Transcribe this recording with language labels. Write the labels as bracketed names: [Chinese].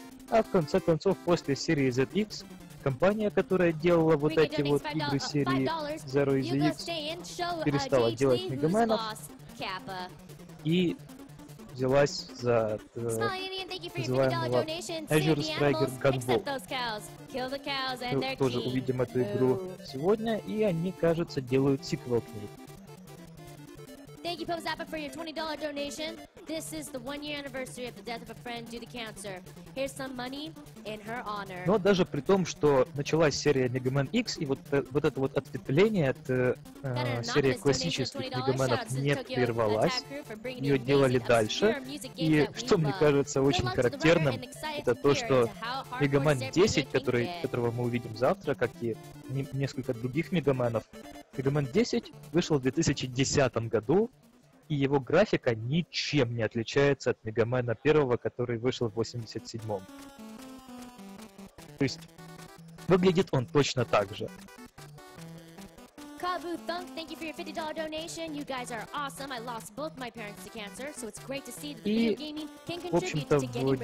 [Russian] А в конце концов, после серии ZX, компания, которая делала вот эти вот игры серии Zero и ZX, перестала делать Мегаменов и взялась за называемого Azure Striker Gunball. Мы тоже увидим эту игру сегодня, и они, кажется, делают сиквел к ней. [English] Thank you, Pozappa, for your $20 donation. This is the one-year anniversary of the death of a friend due to cancer. Here's some money in her honor. [Russian] Но даже при том, что началась серия Мегамен X, и вот это вот ответвление от серии классических Мегаменов не прервалось, ее делали дальше. И что мне кажется очень характерным, это то, что Мегамен 10, которого мы увидим завтра, как и несколько других Мегаменов, Мегамен 10 вышел в 2010 году, и его графика ничем не отличается от Мегамена 1, который вышел в 87-м. То есть, выглядит он точно так же. [English] Kabu Thunk, thank you for your $50 donation. You guys are awesome. I lost both my parents to cancer, so it's great to see that the video gaming can contribute to getting rid of it.